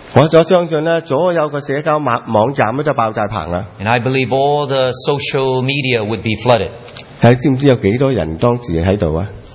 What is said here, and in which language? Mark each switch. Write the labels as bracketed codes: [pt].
[zh] 我相信所有的社交网站都爆炸棚了。 [en] And I believe all the social media would be flooded. [zh] 你知不知有多少人当时在这里啊？